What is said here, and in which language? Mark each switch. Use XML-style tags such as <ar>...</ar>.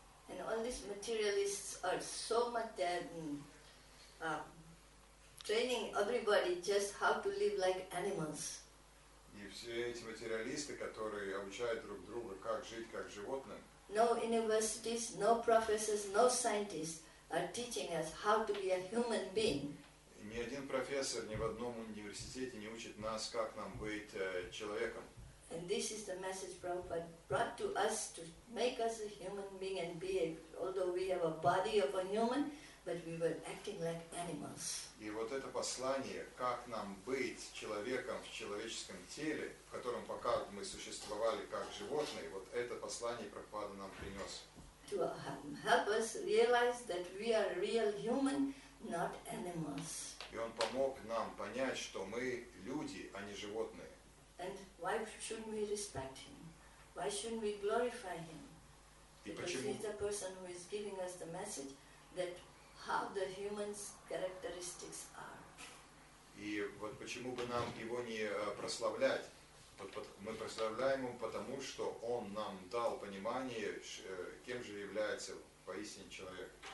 <en>And all these materialists are so modern, training everybody just how to live like animals.</en> <ru>И все эти материалисты, которые обучают друг друга, как жить, как животным.</ru> <en>No universities, no professors, no scientists are teaching us how to be a human being.</en> <ru>И ни один профессор ни в одном университете не учит нас, как нам быть человеком.</ru> <en>And this is the message Prabhupada brought to us to make us a human being and be although we have a body of a human, but we were acting like animals.</en> <ru>И вот это послание, как нам быть человеком в человеческом теле, в котором пока мы существовали как животные, вот это послание Прабхупада нам принес.</ru> <en>To help us realize that we are real human, not animals.</en> <ru>И он помог нам понять, что мы люди, а не животные.</ru> <en>And why shouldn't we respect him? Why shouldn't we glorify him? Because he's the person who is giving us the message that how the human's characteristics are.</en> <ru>И вот почему бы нам его не прославлять? Мы прославляем его, потому что он нам дал понимание, кем же является поистине человек.</ru>